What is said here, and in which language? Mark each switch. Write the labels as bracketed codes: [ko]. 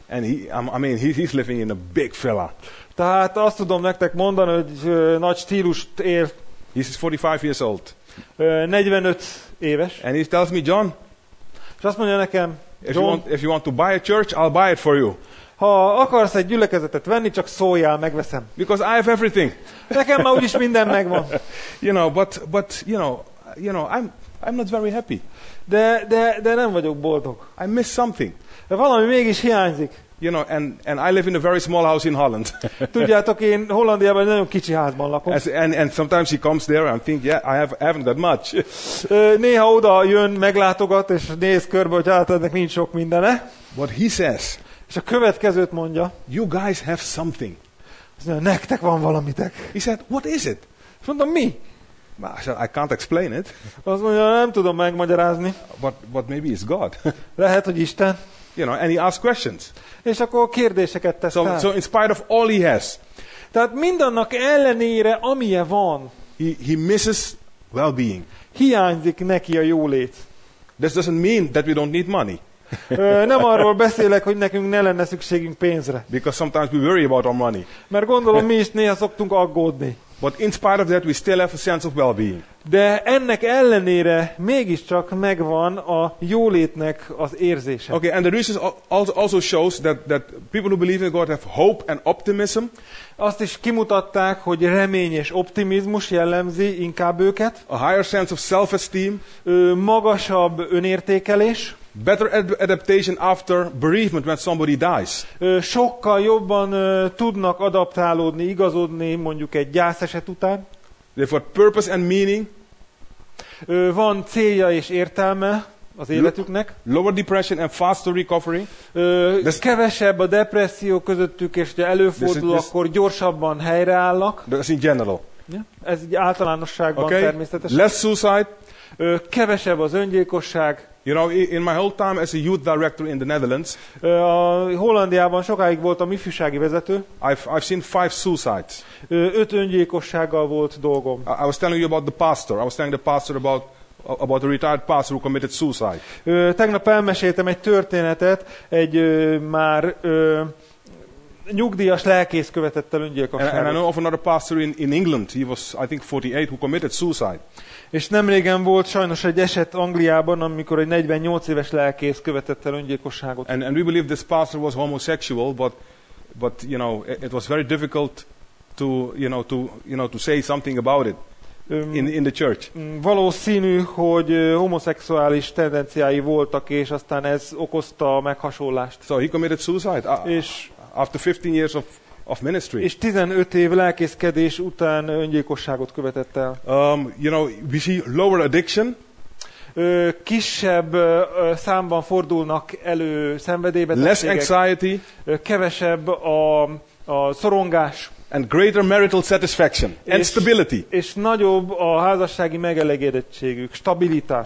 [en] And he's living in a big villa. [hu] Tehát azt tudom nektek mondani, hogy nagy stílust él. [en] He's 45 years old. [hu] 45 éves. [en] And he tells me, John, [hu] És azt mondja nekem, [en] if you want to buy a church, I'll buy it for you. [hu] Ha akarsz egy gyülekezetet venni, csak szóljál, megveszem. [en] Because I have everything. [hu] Nekem már úgyis minden megvan. [en] You know, but you know, I'm not very happy. [hu] De nem vagyok boldog. [en] I miss something. [hu] De valami mégis hiányzik. [en] You know, and I live in a very small house in Holland. [hu] Tudjátok, én Hollandiában egy nagyon kicsi házban lakom. [en] And sometimes he comes there and think, yeah, I haven't that much. [hu] Néha oda jön, meglátogat és néz körbe, hogy hát ennek nincs sok mindene. [en] What he says. [hu] És a következőt mondja. [en] You guys have something. [hu] Mondja, nektek van valamitek. [en] He said, what is it? [hu] És mondom, mi? [en] I can't explain it. [hu] Azt mondja, nem tudom megmagyarázni. [en] But maybe it's God. [hu] Lehet, hogy Isten. [en] You know, and he asks questions. [hu] És akkor kérdéseket tesz fel. [en] So in spite of all he has. [hu] Tehát mindannak ellenére, amilyen van. [en] He misses well-being. [hu] Hiányzik neki a jólét. [en] This doesn't mean that we don't need money. [hu] Nem arról beszélek, hogy nekünk ne lenne szükségünk pénzre. [en] Because sometimes we worry about our money. [hu] Mert gondolom, mi is néha szoktunk aggódni. [en] But in spite of that, we still have a sense of well-being. [hu] De ennek ellenére mégiscsak megvan a jólétnek az érzése. [en] Okay, and the research also shows that people who believe in God have hope and optimism. [hu] Azt is kimutatták, hogy remény és optimizmus jellemzi inkább őket. [en] A higher sense of self-esteem. [hu] Magasabb önértékelés. [en] Better adaptation after bereavement when somebody dies. [hu] Sokkal jobban tudnak adaptálódni, igazodni mondjuk egy gyászeset után. [en] Therefore, purpose and meaning. [hu] Van célja és értelme az életüknek. [en] Lower depression and faster recovery. [hu] Kevesebb a depresszió közöttük, és ha előfordul, akkor gyorsabban helyreállnak. [en] That's in general. Yeah? [hu] Ez így általánosságban okay. Természetesen. [en] Less suicide. [hu] Kevesebb az öngyilkosság. [en] You know, in my whole time as a youth director in the Netherlands, [hu] a Hollandiában sokáig voltam ifjúsági vezető. [en] I've seen 5 suicides. [hu] 5 öngyilkossággal volt dolgom. [en] I was telling you about the pastor. I was telling the pastor about a retired pastor who committed suicide. [hu] Tegnap elmeséltem egy történetet, egy már nyugdíjas lelkész követett el öngyilkosságot. [en] And I know of another pastor in England. He was, I think, 48 who committed suicide. [hu] És nemrégen volt sajnos egy eset Angliában, amikor egy 48 éves lelkész követett el öngyilkosságot. [en] And we believe this pastor was homosexual, but you know, it was very difficult to say something about it in the church. [hu] Valószínű, hogy homoszexuális tendenciái voltak, és aztán ez okozta a meghasonlást. [en] So he committed suicide after 15 years of ministry. [hu] És 15 év lelkészkedés után öngyilkosságot követett el. [en] You know, we see lower addiction. [hu] Kisebb számban fordulnak elő szenvedélybetegségek. [en] Less anxiety. [hu] Kevesebb a szorongás. [en] And greater marital satisfaction and stability. [hu] És nagyobb a házassági megelégedettségük, stabilitás.